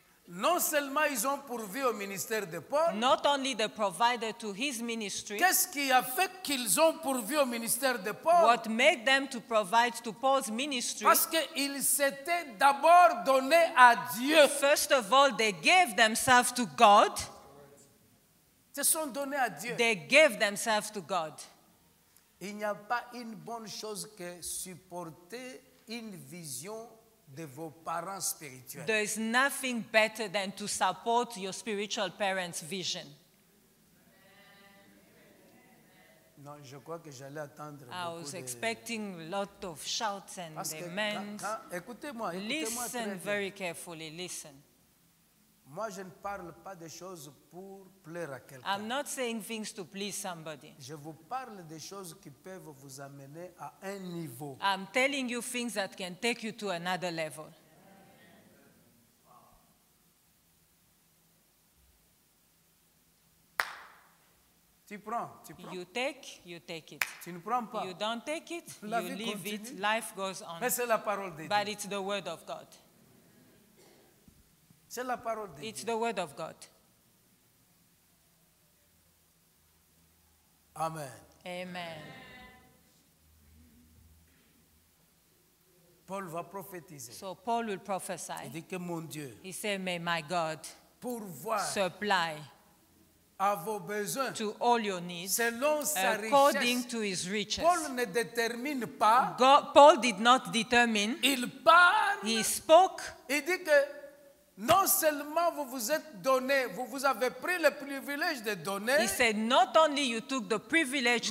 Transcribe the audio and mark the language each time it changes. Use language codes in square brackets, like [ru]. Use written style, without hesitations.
[fr] Non seulement ils ont pourvu au ministère de Paul. [en] Not only they provided to his ministry. [fr] Qu'est-ce qui a fait qu'ils ont pourvu au ministère de Paul? [en] What made them to provide to Paul's ministry? [fr] Parce qu'ils s'étaient d'abord donné à Dieu. [en] First of all, they gave themselves to God. [fr] Se sont donnés à Dieu. [en] They gave themselves to God. [fr] Il n'y a pas une bonne chose que supporter une vision de vos parents spirituels. [en] There is nothing better than to support your spiritual parents' vision. [fr] Non, je crois que j'allais attendre. [en] I was expecting a lot of shouts and amens. [fr] Écoutez-moi, [en] very carefully. Listen. [fr] Moi, je ne parle pas des choses pour plaire à quelqu'un. [en] I'm not saying things to please somebody. [fr] Je vous parle des choses qui peuvent vous amener à un niveau. [en] I'm telling you things that can take you to another level. [fr] Tu prends. [en] You take it. [fr] Tu ne prends pas. [en] You don't take it. [fr] La [en] you leave [fr] continue. [en] It. Life goes on. [fr] Mais c'est la parole de Dieu. [en] But it's the word of God. [fr] C'est la parole de [en] It's [fr] Dieu. [en] The word of God. [fr] Amen. [en] Amen. [fr] Paul va prophétiser. [en] So Paul will prophesy. [fr] Il dit que mon Dieu, [en] he said, may my God [fr] pourvoir, [en] supply [fr] à vos besoins, [en] to all your needs [fr] selon sa [en] according [fr] richesse, [en] to his riches. [fr] Paul ne détermine pas, [en] God, Paul did not determine. [fr] Il parle, [en] he spoke. [fr] Il dit que non seulement vous vous êtes donné, vous vous avez pris le privilège de donner. [en] He said, not only you took the privilege